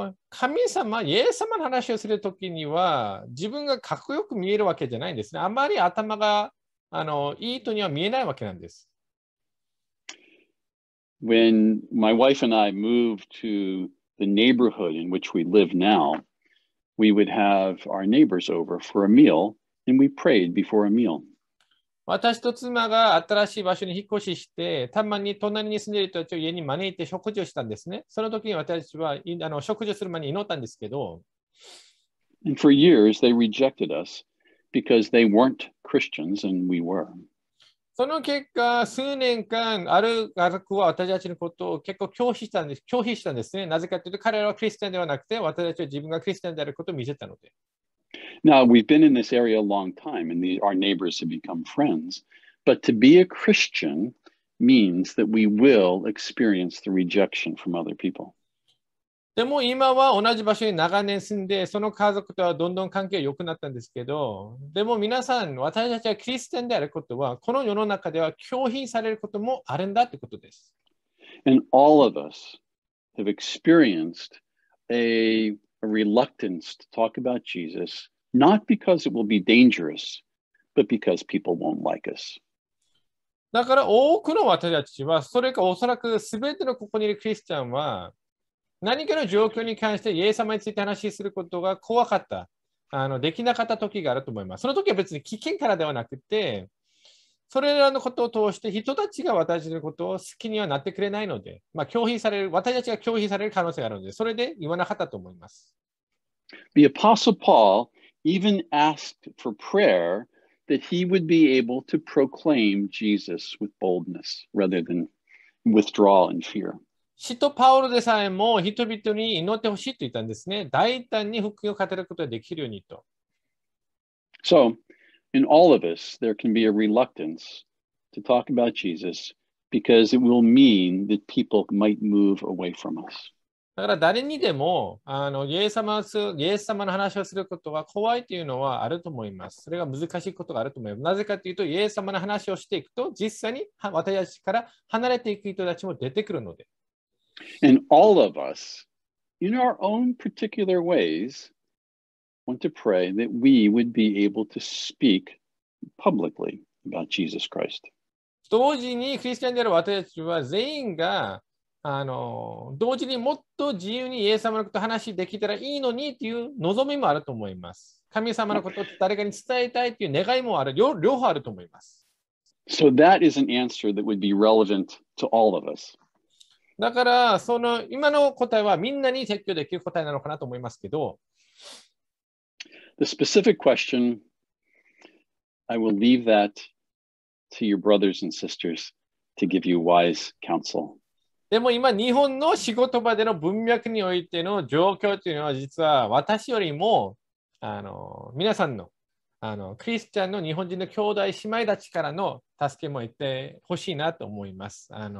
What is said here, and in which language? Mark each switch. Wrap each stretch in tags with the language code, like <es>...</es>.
<ja>神様、イエス様の話をするときには、自分がかっこよく見えるわけじゃないんですね。あまり頭がいいとには見えないわけなんです。</ja> <en>When my wife and I moved to the neighborhood in which we live now, we would have our neighbors over for a meal, and we prayed before a meal.</en> <ja>私と妻が新しい場所に引っ越しして、たまに隣に住んでいる人たちを家に招いて食事をしたんですね。その時に私は食事をする前に祈ったんですけど。</ja> <en>And for years, they rejected us because they weren't Christians and we were.</en> <ja>その結果、数年間、ある家族は私たちのことを結構拒否したんですね。なぜかというと、彼らはクリスチャンではなくて、私たちは自分がクリスチャンであることを見せたので。</ja> <en>Now, we've been in this area a long time, and our neighbors have become friends. But to be a Christian means that we will experience the rejection from other people.</en> <ja>でも今は同じ場所に長年住んで、その家族とはどんどん関係が良くなったんですけど、でも皆さん、私たちはクリスチャンであることは、この世の中では拒否されることもあるんだということです。</ja> <en>And all of us have experienced a reluctance to talk about Jesus, not because it will be dangerous, but because people won't like us.</en> <ja>だから多くの私たちは、それかおそらく全てのここにいるクリスチャンは、何かの状況に関してイエス様について話しすることが怖かった、できなかった時があると思います。その時は別に危険からではなくて、それらのことを通して人たちが私たちのことを好きにはなってくれないので、まあ、拒否される、私たちが拒否される可能性があるので、それで言わなかったと思います。</ja> <en>The Apostle Paul even asked for prayer that he would be able to proclaim Jesus with boldness rather than withdraw in fear.</en> <ja>使徒パウロでさえも人々に祈ってほしいと言ったんですね。大胆に福音を語ることができるようにと。</ja> <en>So,In all of us, there can be a reluctance to talk about Jesus because it will mean that people might move away from us.</en> <ja>だから誰にでもイエス様の話をすることは怖いというのはあると思います。それが難しいことがあると思います。なぜかというと、イエス様の話をしていくと、実際に私たちから離れていく人たちも出てくるので。</ja> <en>And all of us, in our own particular ways, want to pray that we would be able to speak publicly about Jesus Christ.</en> <ja>同時にクリスチャンである私たちは全員が同時にもっと自由にイエス様のことを話できたらいいのにという望みもあると思います。神様のことを誰かに伝えたいという願いもある、両方あると思います。</ja> <en>So that is an answer that would be relevant to all of us.</en> <ja>だから、その今の答えはみんなに説教できる答えなのかなと思いますけど。</ja> <en>The specific question, I will leave that to your brothers and sisters to give you wise counsel.</en> <ja>でも今日本の仕事場での文脈においての状況というのは実は私よりも皆さんのクリスチャンの日本人の兄弟姉妹たちからの助けも言ってほしいなと思います。</ja>